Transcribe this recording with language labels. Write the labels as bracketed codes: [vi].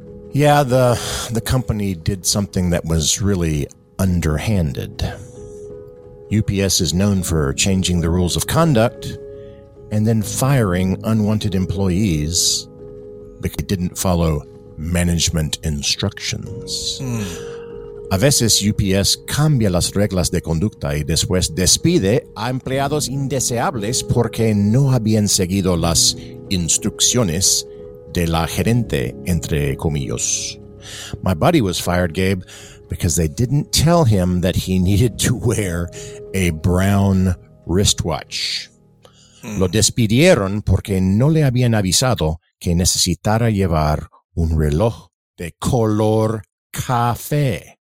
[en] Yeah, the company did something that was really underhanded. UPS is known for changing the rules of conduct and then firing unwanted employees because they didn't follow management instructions. [es] A veces UPS cambia las reglas de conducta y después despide a empleados indeseables porque no habían seguido las instrucciones de la gerente, entre comillas. [en] My buddy was fired, Gabe, because they didn't tell him that he needed to wear a brown wristwatch. [es] Lo despidieron porque no le habían avisado que necesitara llevar un reloj de color café.